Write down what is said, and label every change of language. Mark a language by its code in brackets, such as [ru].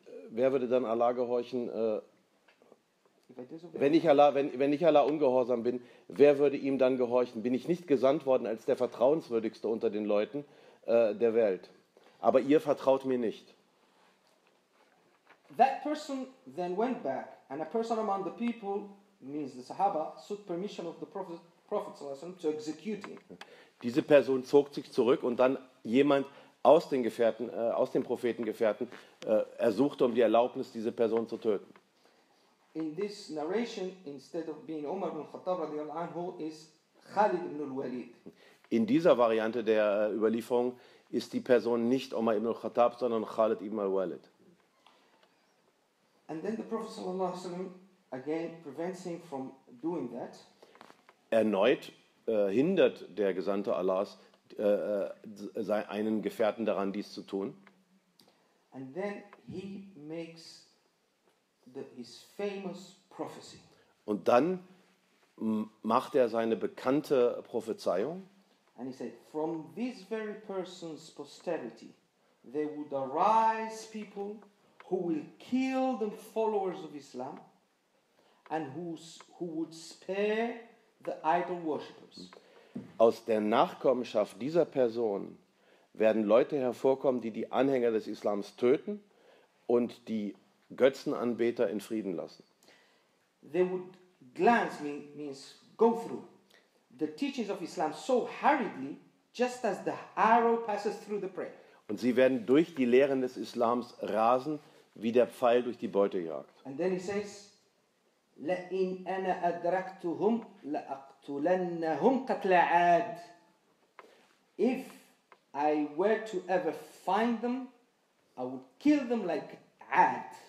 [de] Wer würde dann Allah gehorchen? Wenn ich Allah ungehorsam bin, wer würde ihm dann gehorchen? Bin ich nicht gesandt worden als der vertrauenswürdigste unter den Leuten der Welt? Aber ihr vertraut mir nicht. [en] That person then went back, and a person among the people, means the Sahaba, sought permission of the Prophet to execute him. [de] Diese Person zog sich zurück und dann jemand aus den Gefährten, aus den Prophetengefährten, ersuchte um die Erlaubnis, diese Person zu töten. [en] In this narration, instead of being Umar ibn Khattab radiallahu anhu, is Khalid ibn al-Walid. [de] In dieser Variante der Überlieferung ist die Person nicht Umar ibn al-Khattab, sondern Khalid ibn al-Walid. [en] And then the Prophet sallallahu alaihi wasallam again prevents him from doing that. [de] Erneut hindert der Gesandte Allahs einen Gefährten daran, dies zu tun. [en] And then he makes his famous prophecy. [de] Und dann macht er seine bekannte Prophezeiung. [en] And he said, from this very person's posterity, there would arise people who will kill the followers of Islam and who would spare the idol worshippers. [de] Aus der Nachkommenschaft dieser Person werden Leute hervorkommen, die die Anhänger des Islams töten und die Götzenanbeter in Frieden lassen. [en] They would glance, means go through the teachings of Islam so hurriedly, just as the arrow passes through the prey. [de] Und sie werden durch die Lehren des Islams rasen, wie der Pfeil durch die Beute jagt. [en] And then he says, [ar] لَئِنْ أَنَا أَدْرَكْتُهُمْ لَأَقْتُلَنَّهُمْ قَتْلَ عَاد. [en] If I were to ever find them, I would kill them like Ad.